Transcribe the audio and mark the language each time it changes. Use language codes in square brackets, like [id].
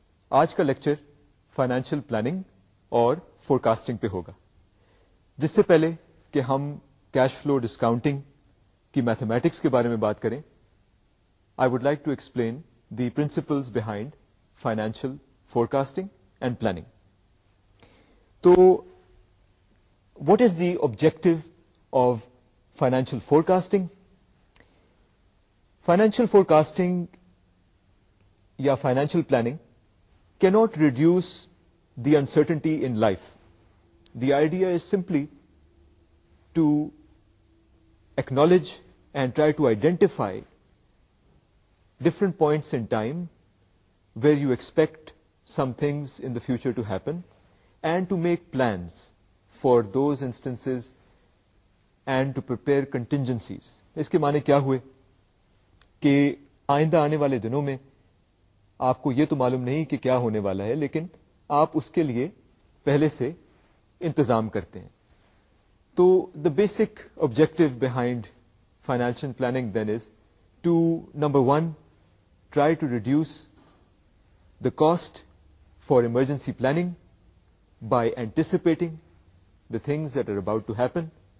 [ur] آج کا lecture financial planning اور فورکاسٹنگ پہ ہوگا. جس سے پہلے کہ ہم کیش فلو ڈسکاؤنٹنگ کی میتھمیٹکس کے بارے میں بات کریں، [en] I would like to explain the principles behind financial forecasting and planning. [ur] تو [en] what is the objective of financial forecasting? Financial forecasting ya financial planning cannot reduce the uncertainty in life. The idea is simply to acknowledge and try to identify different points in time where you expect some things in the future to happen and to make plans for those instances and to prepare contingencies. [ur] اس کے معنی کیا ہوئے کہ آئندہ آنے والے دنوں میں آپ کو یہ تو معلوم نہیں کہ کیا ہونے والا ہے، لیکن آپ اس کے لیے پہلے سے انتظام کرتے ہیں. تو [en] the basic objective behind financial planning then is to, number one, try to reduce the cost for emergency planning by anticipating the things that are about to happen.